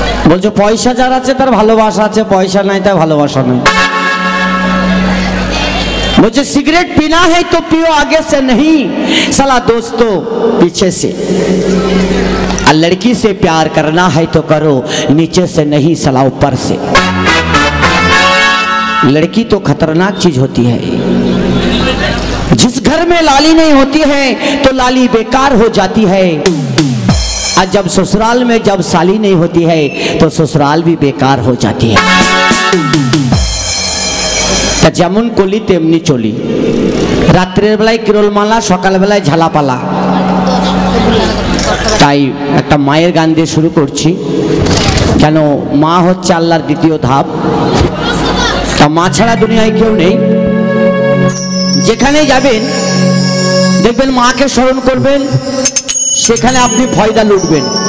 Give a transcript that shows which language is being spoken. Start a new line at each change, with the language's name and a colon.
Bangla: বলছো পয়সা যার আছে তার ভালোবাসা আছে, পয়সা নাই তার ভালোবাসা নাই।
Hindi: मुझे सिगरेट पीना है तो पियो आगे से नहीं, साला दोस्तों पीछे से। और लड़की से प्यार करना है तो करो नीचे से नहीं, साला ऊपर से। लड़की तो खतरनाक चीज होती है, जिस घर में लाली नहीं होती है तो लाली बेकार हो जाती है। और जब ससुराल में जब साली नहीं होती है तो ससुराल भी बेकार हो जाती है।
Bangla: যেমন কলি তেমনি চলি, রাত্রের বেলায় কিরলমালা সকাল বেলায় ঝালাপালা। তাই একটা মায়ের গান দিয়ে শুরু করছি, কেন মা হচ্ছে আল্লাহর দ্বিতীয় ধাপ। তা মা ছাড়া দুনিয়ায় কেউ নেই, যেখানে যাবেন দেখবেন মাকে স্মরণ করবেন, সেখানে আপনি ফয়দা লুটবেন।